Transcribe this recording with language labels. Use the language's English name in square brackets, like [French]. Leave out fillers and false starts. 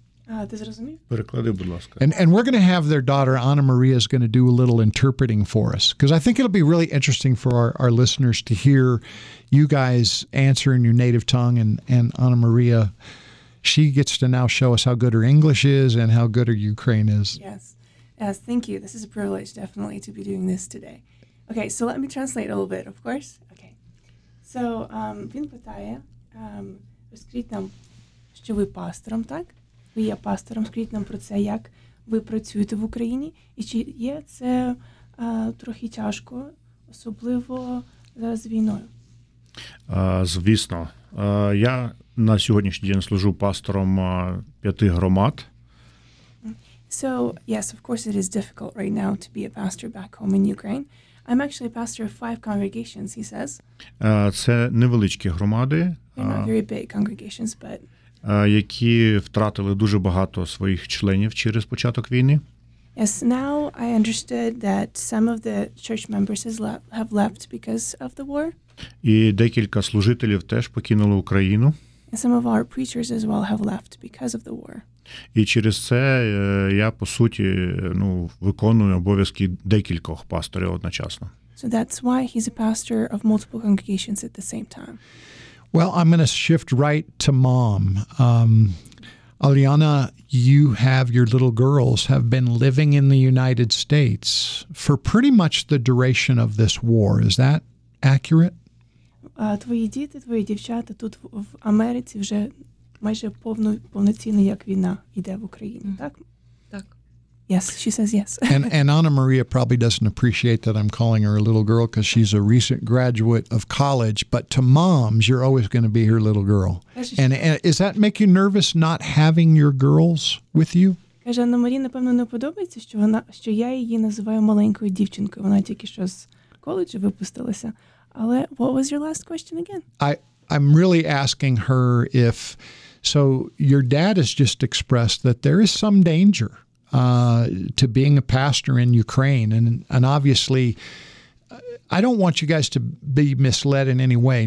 [English] And we're going to have their daughter, Anna Maria, is going to do a little interpreting for us, because I think it'll be really interesting for our listeners to hear you guys answer in your native tongue and Anna Maria. She gets to now show us how good her English is and how good her Ukraine is. Yes, thank you. This is a privilege, definitely, to be doing this today. Okay, so let me translate a little bit, of course. Okay. [Ukrainian] So, він питає, розкажіть нам, що ви пастором, так? Ви є пастором, скажіть нам про це, як ви працюєте в Україні, і чи є це трохи тяжко, особливо зараз війною? Звісно. Я на сьогоднішній день служу пастором 5 громад. [English] So, yes, of course, it is difficult right now to be a pastor back home in Ukraine. I'm actually a pastor of 5 congregations, he says. [Ukrainian] Це невеличкі громади. [English] They're not very big congregations, but... [Ukrainian] Які втратили дуже багато своїх членів через початок війни. [English] Yes, now I understood that some of the church members have left because of the war. [Ukrainian] І декілька служителів теж покинули Україну. [English] And some of our preachers as well have left because of the war. [Ukrainian] І через це я, по суті, виконую обов'язки декількох пасторів одночасно. [English] So that's why he's a pastor of multiple congregations at the same time. Well, I'm going to shift right to mom. Alyana, you have your little girls have been living in the United States for pretty much the duration of this war. Is that accurate? [Ukrainian] Твої діти, твої дівчата тут в Америці вже... Майже повноцінно, як війна йде в Україні, так? Так. [English] Yes, she says yes. And Anna Maria probably doesn't appreciate that I'm calling her a little girl because she's a recent graduate of college, but to moms, you're always going to be her little girl. And is that make you nervous not having your girls with you? [Ukrainian] Каже, Анна Марія, напевно, не подобається, що я її називаю маленькою дівчинкою. Вона тільки що з коледжу випустилася. Але [English] what was your last question again? I'm really asking her if, so your dad has just expressed that there is some danger to being a pastor in Ukraine. And obviously, I don't want you guys to be misled in any way.